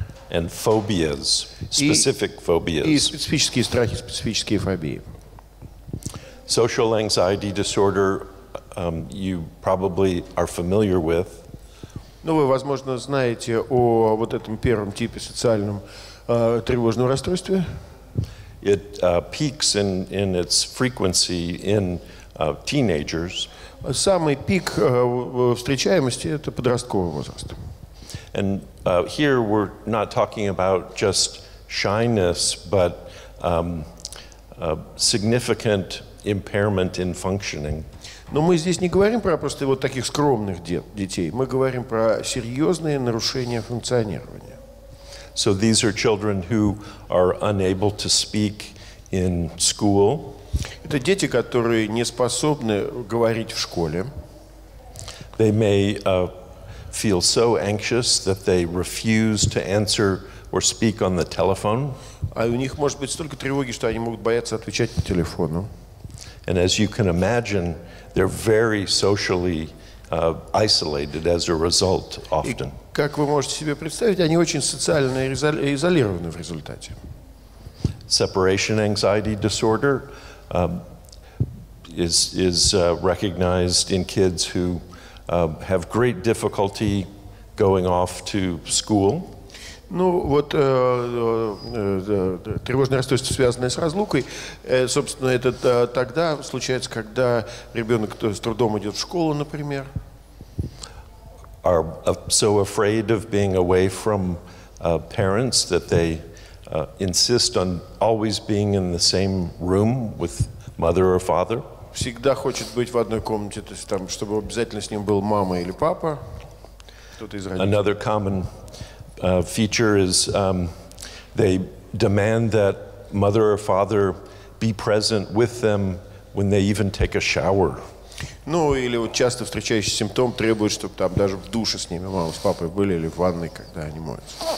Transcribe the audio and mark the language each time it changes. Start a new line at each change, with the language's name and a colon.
English: And phobias, specific phobias.
Russian: И специфические страхи, специфические фобии.
English: Social anxiety disorder you probably are familiar with.
Russian: Ну, вы, возможно, знаете о вот этом первом типе социальном тревожном расстройстве.
English: It peaks in its frequency in teenagers.
Russian: Самый пик встречаемости – это подростковый возраст.
English: And here we're not talking about just shyness, but significant impairment in functioning.
Russian: Но мы здесь не говорим про просто вот таких скромных детей. Мы говорим про серьезные нарушения функционирования.
English: So these are children who are unable to speak in school.
Russian: Это дети, которые не способны говорить в школе.
English: They may feel so anxious that they refuse to answer or speak on the telephone.
Russian: А у них может быть столько тревоги, что они могут бояться отвечать по телефону.
English: And as you can imagine, they're very socially isolated as a result often.
Russian: И, как вы можете себе представить, они очень социально изолированы в результате.
English: Separation anxiety disorder recognized in kids who have great difficulty going off to school.
Russian: Ну вот тревожное расстройство, связанное с разлукой, собственно, это тогда случается, когда ребенок с трудом идет в школу, например.
English: Are so afraid of being away from parents that they insist on always being in the same room with mother or father.
Russian: Всегда хочет быть в одной комнате, то есть там, чтобы обязательно с ним был мама или папа, кто-то из родителей.
English: Another common feature is they demand that mother or father be present with them when they even take a shower.
Russian: Ну, или вот часто встречающий симптом требует, чтобы там даже в душе с ними мама с папой были или в ванной, когда они моются.